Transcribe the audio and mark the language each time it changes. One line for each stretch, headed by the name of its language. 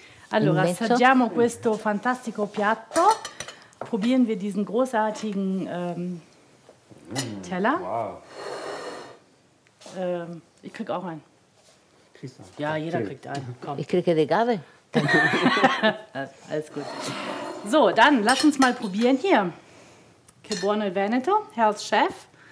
Italian: Allora, assaggiamo questo fantastico piatto.
German: Probieren wir diesen großartigen Teller. Wow. Ich krieg auch einen. Ja, jeder kriegt einen. Komm. Ich kriege die Gabel. Alles gut. So, dann lass uns mal probieren hier.
Italian: Che buono il Veneto, Health Chef.